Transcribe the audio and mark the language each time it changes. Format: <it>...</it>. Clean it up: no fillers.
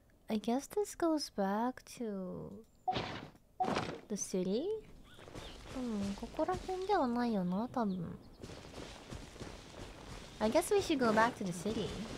<en>I guess this goes back to the city?</en> <ja>ここら辺ではないよな、多分。</ja> <en>I guess we should go back to the city.</en>